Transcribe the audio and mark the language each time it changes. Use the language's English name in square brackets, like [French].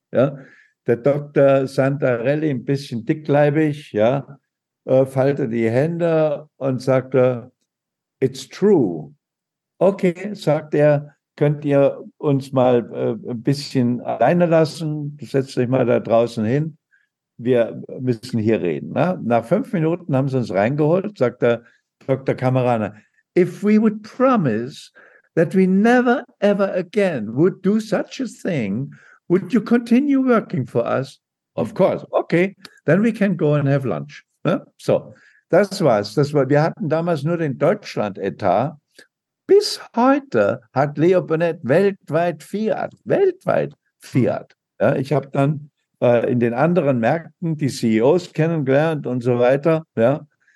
[German] Ja, der Dr. Santarelli, ein bisschen dickleibig, ja, faltet die Hände und sagt, [English] it's true. [German] Okay, sagt er, könnt ihr uns mal ein bisschen alleine lassen, setzt euch mal da draußen hin, wir müssen hier reden. Ne? Nach 5 Minuten haben sie uns reingeholt, sagt der Dr. [English] Kamerana, if we would promise that we never ever again would do such a thing, would you continue working for us? Of course. Okay, then we can go and have lunch. [German] Ne? So, das war's. Das war, wir hatten damals nur den Deutschland-Etat. Bis heute hat Leo Burnett weltweit Fiat. Ja, ich habe dann in den anderen Märkten die CEOs kennengelernt und so weiter. Ja.